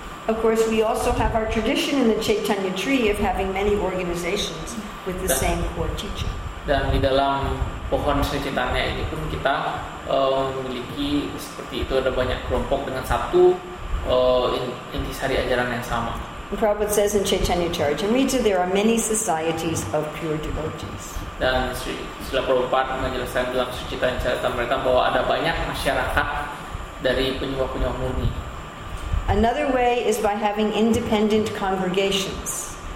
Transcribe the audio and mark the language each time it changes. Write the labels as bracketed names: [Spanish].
[English] Of course, we also have our tradition in the Chaitanya tree of having many organizations with the same core teacher. [Indonesian] Dan di dalam pohon Sri Chaitanya ini pun kita memiliki seperti itu, ada banyak kelompok dengan satu intisari ajaran yang sama. [English] Prabhupada says in Chaitanya Charitamrita, there are many societies of pure devotees. [Indonesian] Dan Srila Prabhupada menjelaskan dalam Sri Chaitanya Charitamrita bahwa ada banyak masyarakat dari penyembah-penyembah murni. [English] Another way is by having independent congregations.